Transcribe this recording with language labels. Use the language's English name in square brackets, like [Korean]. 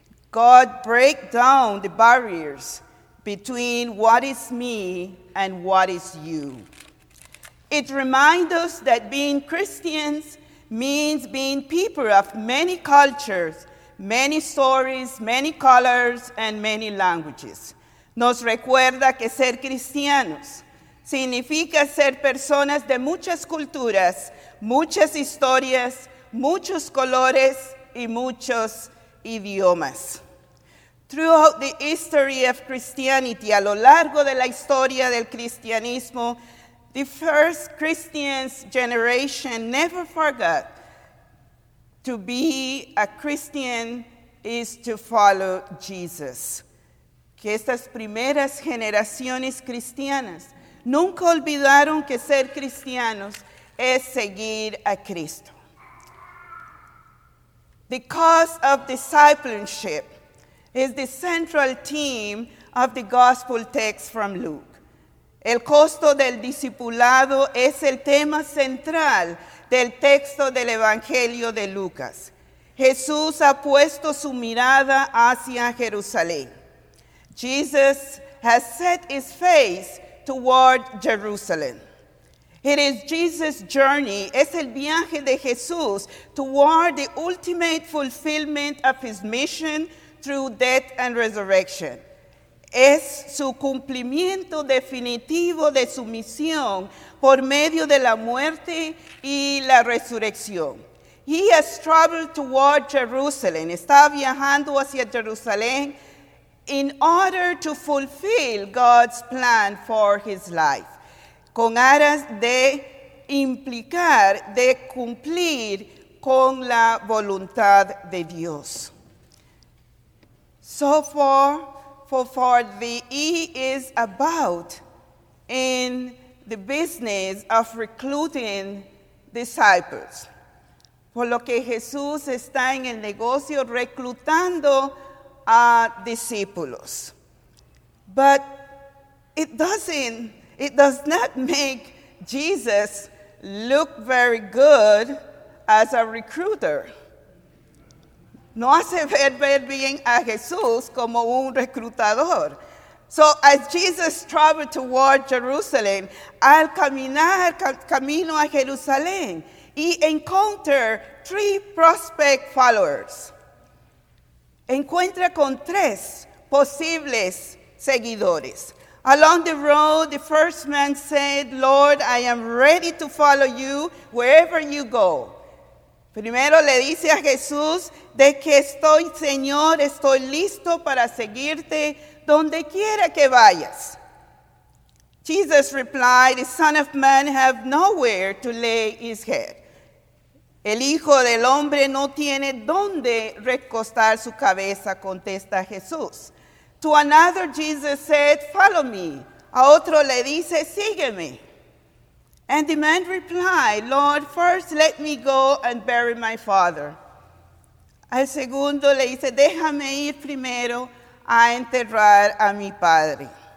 [English] God break down the barriers between what is me and what is you. It reminds us that being Christians means being people of many cultures, many stories, many colors, and many languages. [Spanish] Nos recuerda que ser cristianos significa ser personas de muchas culturas, muchas historias, muchos colores, y muchos idiomas. [English] Throughout the history of Christianity, [Spanish] a lo largo de la historia del cristianismo, [English] the first Christian's generation never forgot to be a Christian is to follow Jesus. [Spanish] Que estas primeras generaciones cristianas nunca olvidaron que ser cristianos es seguir a Cristo. [English] The cause of discipleship is the central theme of the gospel text from Luke. [Spanish] El costo del discipulado es el tema central del texto del Evangelio de Lucas. Jesús ha puesto su mirada hacia Jerusalén. [English] Jesus has set his face toward Jerusalem. It is Jesus' journey, [Spanish] es el viaje de Jesús [English] toward the ultimate fulfillment of his mission through death and resurrection. [Spanish] Es su cumplimiento definitivo de su misión por medio de la muerte y la resurrección. [English] He has traveled toward Jerusalem. [Spanish] Está viajando hacia Jerusalén [English] in order to fulfill God's plan for his life, [Spanish] con aras de implicar, de cumplir con la voluntad de Dios. [English] So far, for far the E is about in the business of recruiting disciples. [Spanish] Por lo que Jesús está en el negocio reclutando a discípulos. [English] But it does not make Jesus look very good as a recruiter. [Spanish] No hace ver bien a Jesús como un reclutador. [English] So as Jesus traveled toward Jerusalem, [Spanish] al caminar camino a Jerusalén, [English] he encountered three prospect followers. [Spanish] Encuentra con tres posibles seguidores. [English] Along the road, the first man said, "Lord, I am ready to follow you wherever you go." [Spanish] Primero le dice a Jesús, "De que estoy, Señor, estoy listo para seguirte donde quiera que vayas." [English] Jesus replied, "The Son of Man have nowhere to lay his head." [Spanish] El Hijo del Hombre no tiene donde recostar su cabeza, contesta Jesús. [English] To another, Jesus said, "Follow me." [Spanish] A otro le dice, "Sígueme." [English] And the man replied, "Lord, first let me go and bury my father." [Spanish] Al segundo le dice, "Déjame ir primero a enterrar a mi padre."